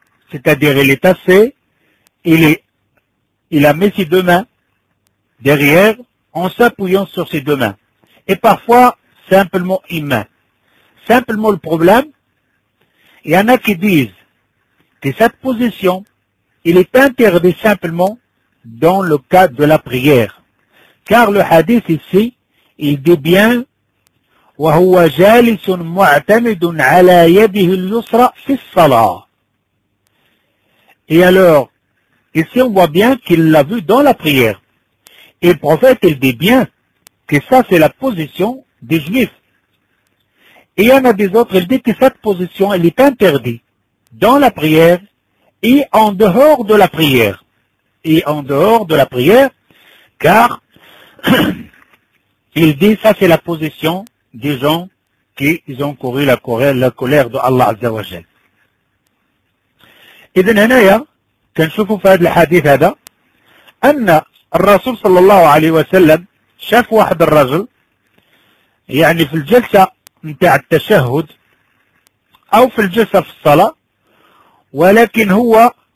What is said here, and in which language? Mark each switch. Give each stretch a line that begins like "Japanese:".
French: C'est-à-dire il est assis, il a mis ses deux mains derrière en s'appuyant sur ses deux mains. Et parfois, simplement une main. Simplement le problème, il y en a qui disent que cette position, il est interdit simplement dans le cadre de la prière. car le hadith ici, il dit bien,
Arabic: وهو جالس معتمد على يده اليسرى في الصلاة.
French: Et alors, ici on voit bien qu'il l'a vu dans la prière. Et le prophète, il dit bien que ça c'est la position des juifs. Et il y en a des autres, il dit que cette position, elle est interdite dans la prière et en dehors de la prière. Et en dehors de la prière, car il dit ça c'est la position des gens qui ils ont couru la colère de Allah Azza wa Jal.
Arabic: إذن هنايا كنشوفوا في هذا الحديث هذا أن الرسول صلى الله عليه وسلم شاف واحد الرجل يعني في الجلسة نتاع التشهد أو في الجلسة في الصلاة ولكن هو